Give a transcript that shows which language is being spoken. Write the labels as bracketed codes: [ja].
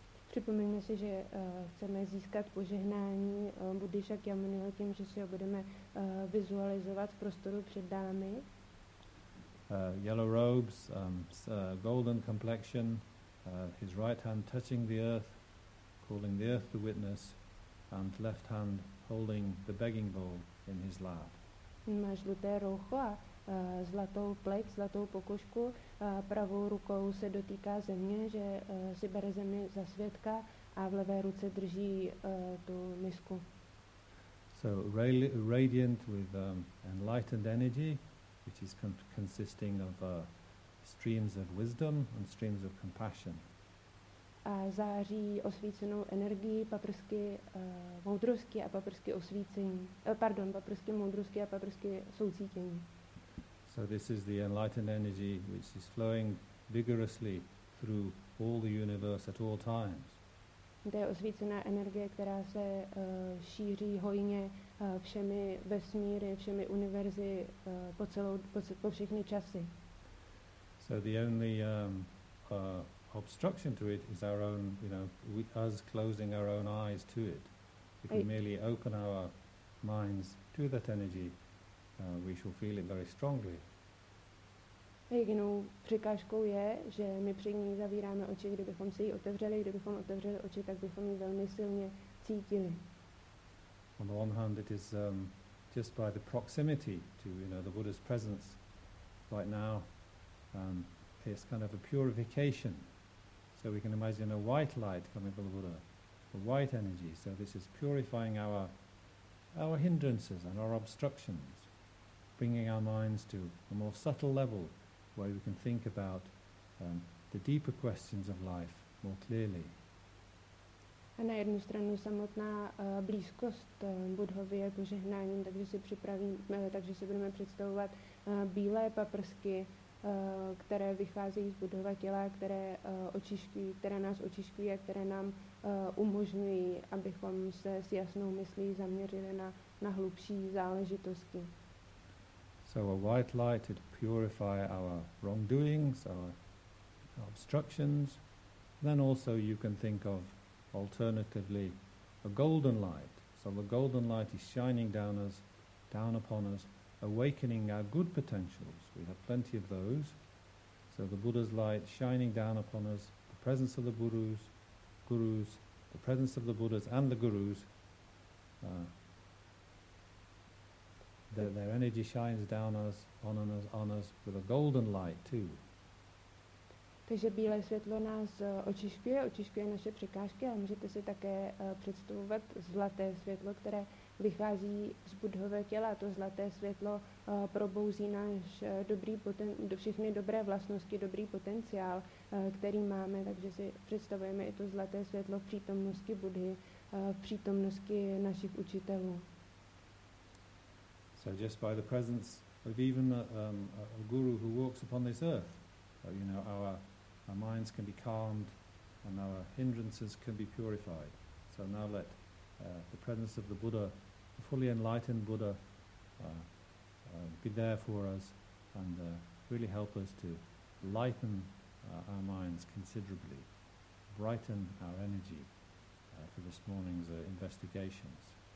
[cs] Připomeňme si, že chceme získat požehnání Buddhy Shakyamuniho tím, že si ho budeme vizualizovat v prostoru před námi. [en] Yellow robes, golden complexion, his right hand touching the earth, calling the earth to witness, and left hand holding the begging bowl in his lap. [cs] Má žluté roucho. Zlatou plek, zlatou pokožku, pravou rukou se dotýká země, že si bere zemi za svědka a v levé ruce drží tu misku. [en] So radiant with enlightened energy, which is consisting of streams of wisdom and streams of compassion. [cs] A září osvícenou energii, paprsky moudrosti a paprsky osvícení. Paprsky moudrosti a paprsky soucítění. [en] So this is the enlightened energy which is flowing vigorously through all the universe at all times. [cs] To je osvícená energie, která se šíří hojně všemi vesmíry, všemi univerzy po všechny časy. [en] So the only obstruction to it is our own, you know, us closing our own eyes to it. If we merely open our minds to that energy, we shall feel it very strongly. [cs] Jedinou překážkou je, že my při ní zavíráme oči, kdybychom si ji otevřeli, kdybychom otevřeli oči, tak bychom ji velmi silně cítili. [en] On the one hand, it is just by the proximity to, you know, the Buddha's presence right now, it's kind of a purification. So we can imagine a white light coming from the Buddha, a white energy. So this is purifying our hindrances and our obstructions, bringing our minds to a more subtle level. Where we can think about the deeper questions of life more clearly. [cs] A na jednu stranu samotná blízkost Buddhovi je požehnáním, takže si budeme představovat bílé paprsky, které vycházejí z Buddhova těla, které nás očišťují a které nám umožňují, abychom se s jasnou myslí zaměřili na hlubší záležitosti. [en] So a white light to purify our wrongdoings, our obstructions. Then also you can think of alternatively a golden light. So the golden light is shining down us, down upon us, awakening our good potentials. We have plenty of those. So the Buddha's light shining down upon us, the presence of the gurus, the presence of the Buddhas and the gurus, their energy shines down us, on us with a golden light too. [cs] Takže bílé světlo nás očišťuje naše překážky a můžete si také představovat zlaté světlo, které vychází z Buddhova těla. To zlaté světlo probouzí náš všechny dobré vlastnosti, dobrý potenciál, který máme, takže si představujeme i to zlaté světlo v přítomnosti Buddhy, v přítomnosti našich učitelů. [en] So just by the presence of even a guru who walks upon this earth, you know, our minds can be calmed and our hindrances can be purified. So now let the presence of the Buddha, the fully enlightened Buddha, be there for us and really help us to lighten our minds considerably, brighten our energy for this morning's investigations.